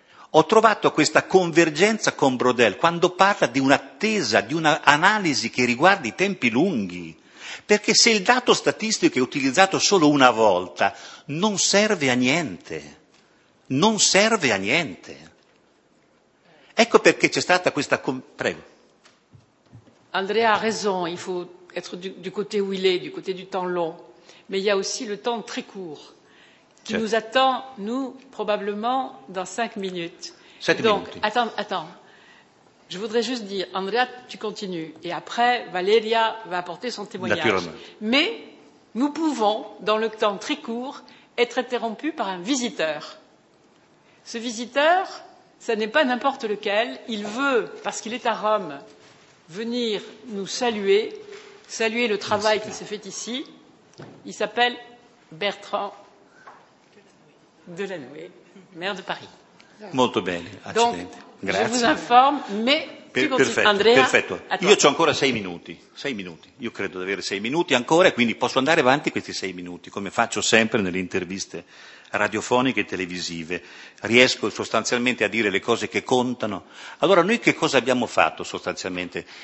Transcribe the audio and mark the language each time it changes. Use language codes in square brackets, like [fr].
[it] Ho trovato questa convergenza con Brodel quando parla di un'attesa, di un'analisi che riguarda i tempi lunghi, perché se il dato statistico è utilizzato solo una volta, non serve a niente, Ecco perché c'è stata questa... Prego. Andrea ha ragione, [fr] il faut être du côté où il est, du côté du temps long, mais il y a aussi le temps très court. Qui nous attend, nous, probablement, dans 5 minutes. Attends. Je voudrais juste dire, Andrea, tu continues. Et après, Valeria va apporter son témoignage. Naturellement. Mais nous pouvons, dans le temps très court, être interrompus par un visiteur. Ce visiteur, ça n'est pas n'importe lequel. Il veut, parce qu'il est à Rome, venir nous saluer, saluer le travail qui se fait ici. Il s'appelle Bertrand Delanoë, maire de Paris. [it] Molto bene, accidenti. [fr] Donc, grazie. Je vous informe, mais [it] perfetto, Andrea, perfetto. Io ho ancora sei minuti, io credo di avere 6 minuti ancora, quindi posso andare avanti questi 6 minuti, come faccio sempre nelle interviste radiofoniche e televisive. Riesco sostanzialmente a dire le cose che contano. Allora, noi che cosa abbiamo fatto sostanzialmente?